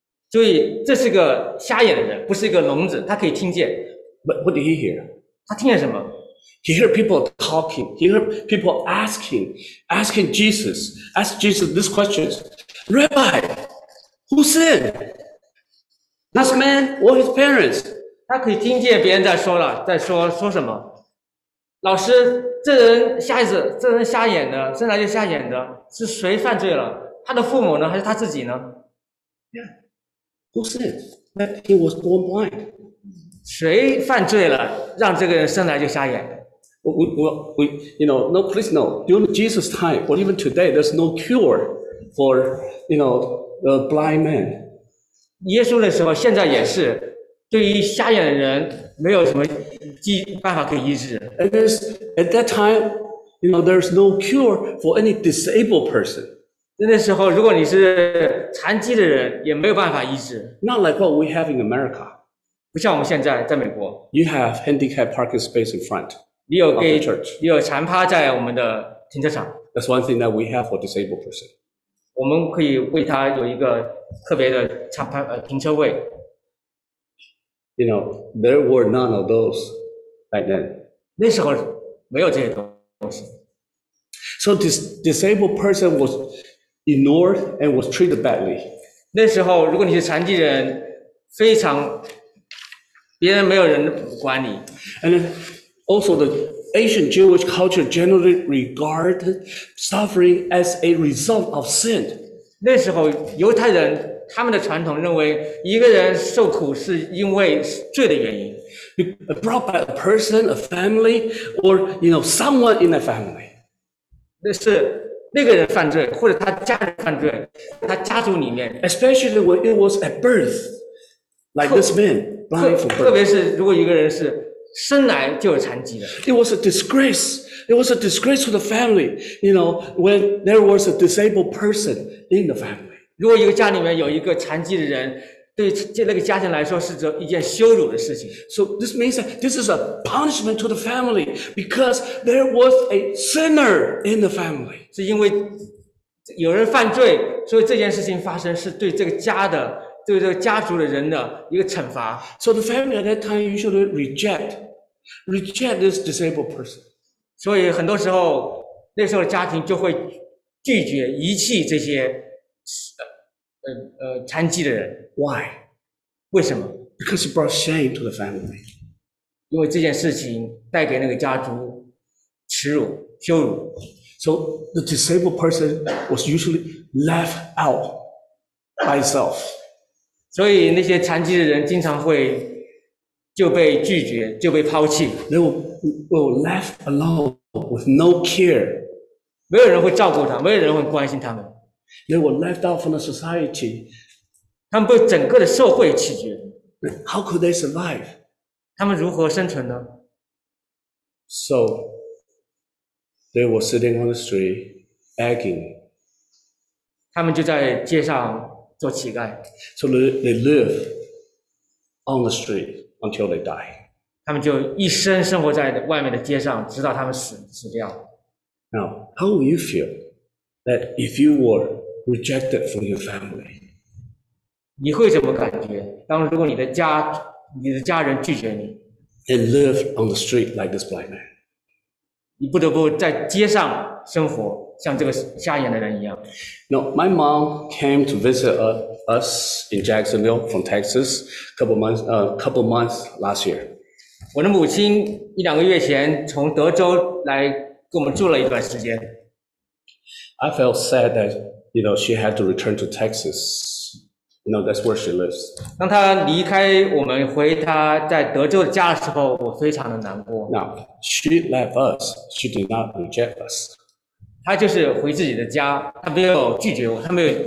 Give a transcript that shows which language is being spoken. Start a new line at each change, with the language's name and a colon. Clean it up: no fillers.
Chinese: 所以这是个瞎眼的人，不是一个聋子，他可以听见。
English: But what did he hear?
Chinese: 他听见什么
English: ？He heard people talking. He heard people asking Jesus, ask Jesus these questions. Rabbi, who sinned? This man or his parents?
Chinese: 他可以听见别人在说了，在说什么？老师，这人瞎子，这人瞎眼的，生来就瞎眼的，是谁犯罪了？他的父母呢？还是他自己呢
English: ？Yeah, who said that he was born blind?
Chinese: 谁犯罪了，让这个人生来就瞎眼
English: ？We, you know, no, please no. During Jesus' time, or even today, there's no cure for, you know, the blind man.
Chinese: 耶稣的时候，现在也是。对于瞎眼的人，没有什么办法可以医治。
English: And this, at that time, you know, there's no cure for any disabled person.
Chinese: 那时候，如果你是残疾的人，也没有办法医治。
English: Not like what we have in America.
Chinese: 不像我们现在在美国。
English: You have handicapped parking space in front.
Chinese: 你有给 church. 你有残趴在我们的停车场。
English: That's one thing that we have for disabled person.
Chinese: 我们可以为他有一个特别的残趴停车位。
English: You know, there were none of those back then.
Chinese: 那时候没有这些东西。
English: So this disabled person was ignored and was treated badly.
Chinese: 那时候如果你是残疾人，非常别人没有人管你。
English: And then also the ancient Jewish culture generally regarded suffering as a result of sin.
Chinese: 那时候犹太人他们的传统认为，一个人受苦是因为罪的原因。
English: Brought by a person, a family, or you know someone in a family.
Chinese: 那是那个人犯罪，或者他家人犯罪，他家族里面。
English: Especially when it was at birth, like this man, blind from birth.
Chinese: 特别是如果一个人是生来就有残疾的。
English: It was a disgrace. It was a disgrace to the family. You know, when there was a disabled person in the family.
Chinese: 如果一个家里面有一个残疾的人，对那个家庭来说是一件羞辱的事情。
English: So this means that this is a punishment to the family because there was a sinner in the family.
Chinese: 是因为有人犯罪，所以这件事情发生是对这个家的。对这个家族的人的一个惩罚。
English: So the family at that time usually reject this disabled person.
Chinese: 所以很多时候那时候的家庭就会拒绝遗弃这些残疾的人。
English: Why?
Chinese: 为什么?
English: Because it brought shame to the family.
Chinese: 因为这件事情带给那个家族耻辱、羞辱。
English: So the disabled person was usually left out by itself.
Chinese: 所以那些残疾的人经常会就被拒绝，就被抛弃。
English: They were left alone with no care.
Chinese: 没有人会照顾他，没有人会关心他们。
English: They were left out from the society.
Chinese: 他们被整个的社会弃绝。
English: How could they survive?
Chinese: 他们如何生存呢？
English: So, they were sitting on the street, begging.
Chinese: 他们就在街上做乞丐。
English: So they live on the street until they die.
Chinese: 他们就一生生活在外面的街上，直到他们死掉。
English: Now, how would you feel that if you were rejected from your family?
Chinese: 你会怎么感觉？当如果你的家人拒绝你
English: ，and live on the street like this blind man?
Chinese: 你不得不在街上生活。像这个瞎眼的人一样。
English: No, my mom came to visit us in Jacksonville from Texas a couple months last year.
Chinese: 我的母亲一两个月前从德州来跟我们住了一段时间。
English: I felt sad that, you know, she had to return to Texas. You know, that's where she lives.
Chinese: 当她离开我们回她在德州的家的时候，我非常的难过。
English: Now, she left us. She did not reject us.
Chinese: 他就是回自己的家，他没有拒绝我，他没有。